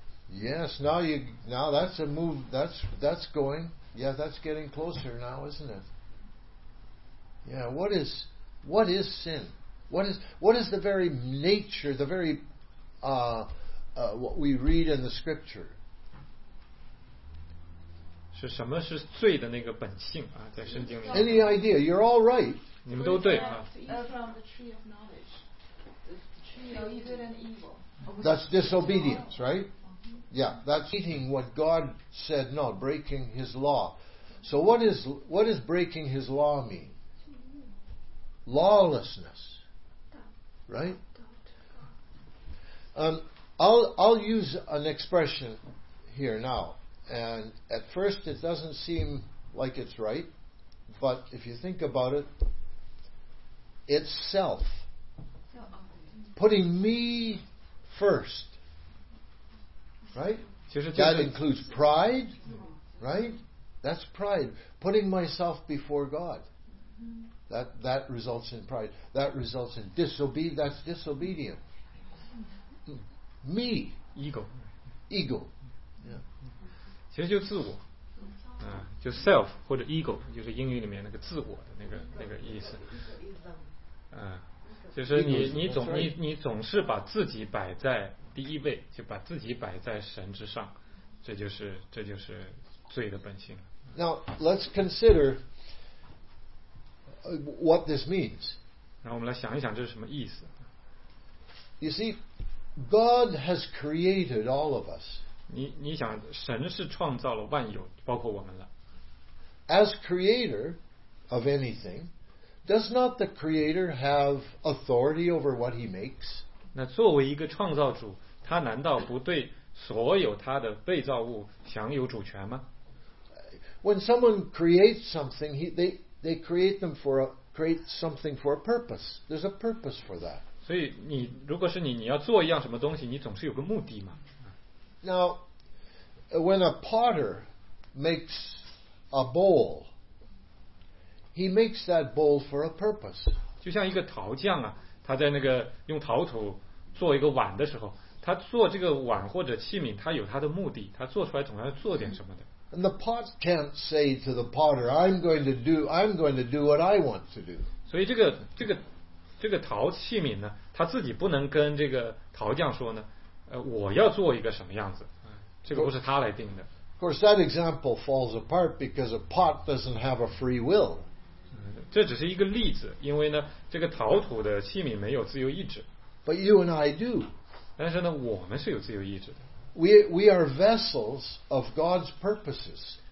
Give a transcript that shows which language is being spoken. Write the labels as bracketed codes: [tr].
[en] Yes. Now that's a move. That's going. Yeah. That's getting closer now, isn't it? Yeah. What is sin? What is the very nature? The very what we read in the scripture. [zh] 是什么是罪的那个本性啊？在圣经里。 [en] Any idea? You're all right. [zh] 你们都对啊。 [en] From the tree of knowledge, the tree of good and evil. That's disobedience, right? Yeah, that's eating what God said, no, breaking His law. So what is breaking His law mean? Lawlessness, right? I'll use an expression here now. And at first it doesn't seem like it's right, but if you think about it, it's self. Putting me first, right? That includes pride, right? That's pride. Putting myself before God, that results in pride. That results in that's disobedience. Me. Ego. [zh] 其实就自我，就 self 或者 ego， 就是英语里面那个自我的那个意思，就是你总是把自己摆在第一位，就把自己摆在神之上，这就是罪的本性。 [en] Now let's consider what this means。 [zh] 然后我们来想一想这是什么意思。 [en] You see, God has created all of us. [zh] 你想神是创造了万有包括我们了。 [en] As creator of anything, does not the creator have authority over what he makes? [zh] 那作为一个创造主，他难道不对所有他的被造物享有主权吗？ [en] When someone creates something, they create something for a purpose. There's a purpose for that. [zh] 所以你如果是你要做一样什么东西，你总是有个目的嘛。 [en] Now, when a potter makes a bowl. He makes that bowl for a purpose. [zh] 就像一个陶匠啊，他在那个用陶土做一个碗的时候，他做这个碗或者器皿，他有他的目的，他做出来总要做点什么的。 [en] And the pot can't say to the potter, I'm going to do what I want to do. [zh] 所以这个陶器皿呢，他自己不能跟这个陶匠说呢，我要做一个什么样子，这个不是他来定的。 [en] Of course, that example falls apart because a pot doesn't have a free will. [zh] 这只是一个例子，因为呢，这个陶土的器皿没有自由意志。 [en] But you and I do. [zh] 但是呢，我们是有自由意志的。 [en] We are vessels of God's purposes.